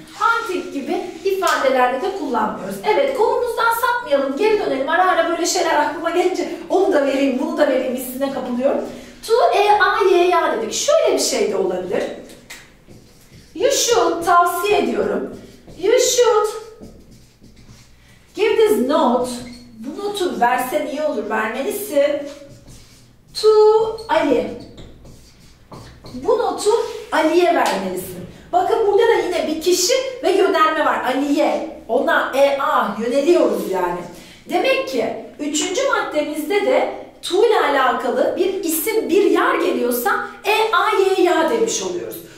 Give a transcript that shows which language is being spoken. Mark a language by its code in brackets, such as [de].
[tr] Hunting gibi ifadelerde de kullanmıyoruz. Evet, konumuzdan sapmayalım, geri dönelim. Ara ara böyle şeyler aklıma gelince onu da vereyim, bunu da vereyim hissine kapılıyorum. To A-Y-A dedik. Şöyle bir şey de olabilir. [en] You should, [tr] tavsiye ediyorum. [en] You should give this note. [tr] Bu notu versen iyi olur, vermelisin. [en] To Ali. [tr] Bu notu Ali'ye vermelisin. Bakın burada da yine bir kişi ve yönelme var. Ali'ye. Ona, E-A yöneliyoruz yani. Demek ki üçüncü maddemizde de to ile alakalı bir isim, bir yer geliyorsa E-A-Y-A demiş oluyoruz.